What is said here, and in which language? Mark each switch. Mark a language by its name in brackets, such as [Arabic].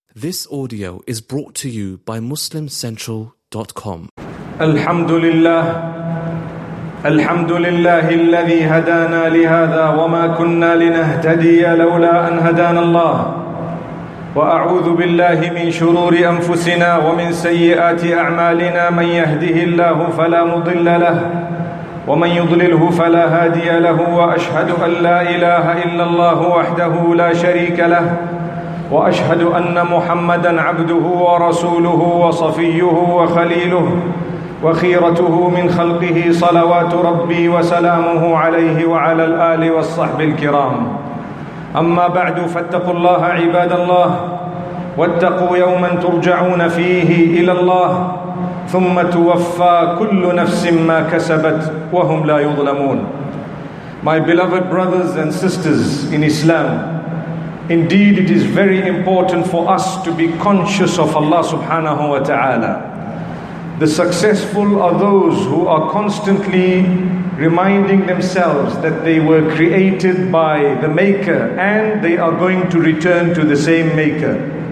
[English] This audio is brought to you by MuslimCentral.com. [Arabic] Alhamdulillah. Alhamdulillah الذي هدانا لهذا وما كنا لنهتدي لولا أن هدانا الله. وأعوذ بالله من شرور أنفسنا ومن سيئات أعمالنا من يهده الله فلا مضل له ومن يضلله فلا هادي له وأشهد أن لا إله إلا الله وحده لا شريك له وأشهد أن محمدًا عبده ورسوله وصفيه وخليله وخيرته من خلقه صلوات ربي وسلامه عليه وعلى الآل والصحب الكرام. أما بعد، فاتقوا الله عباد الله، واتقوا يوماً ترجعون فيه إلى الله، ثم توفى كل نفس ما كسبت وهم لا يظلمون. [English] My beloved brothers and sisters in Islam, indeed it is very important for us to be conscious of Allah subhanahu wa ta'ala. The successful are those who are constantly reminding themselves that they were created by the Maker and they are going to return to the same Maker.